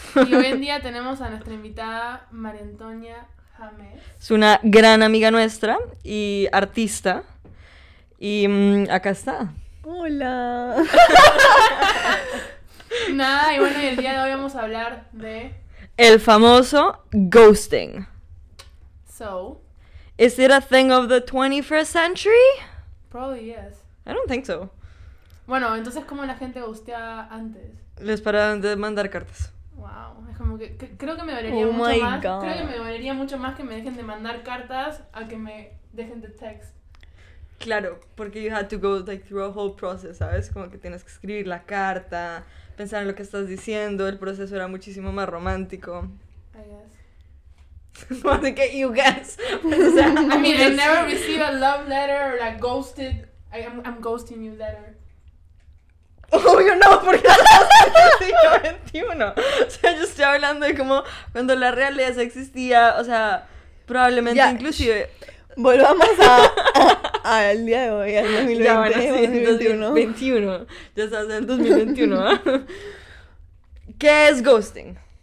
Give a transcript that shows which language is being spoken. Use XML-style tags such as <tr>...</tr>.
<es>Y hoy en día tenemos a nuestra invitada, María Antonia James. Es una gran amiga nuestra y artista. Y acá está. Hola. Nada, y bueno, y el día de hoy vamos a hablar de el famoso ghosting.</es> <en>So, is it a thing of the 21st century? Probably yes. I don't think so.</en> <es>Bueno, entonces, ¿cómo la gente ghostea antes? Les paraban de mandar cartas. Wow, es como que creo que me valería mucho más que me dejen de mandar cartas a que me dejen de text. Claro, porque</es> <en>you had to go like through a whole process, ¿sabes?</en> <es>Como que tienes que escribir la carta, pensar en lo que estás diciendo, el proceso era muchísimo más romántico.</es> <en>I guess.</en> <es>Así que,</es> <en>you guess. I never receive a love letter or like ghosted, I'm ghosting you letter.</en> <es>Obvio no, porque ya estás en el siglo XXI. O sea, yo estoy hablando de como cuando la realeza existía, o sea, probablemente ya, inclusive... Volvamos al día de hoy, al 2020, ya, bueno, sí, 2021. 2021. Ya estás en 2021, ¿eh? ¿Qué es ghosting?</es>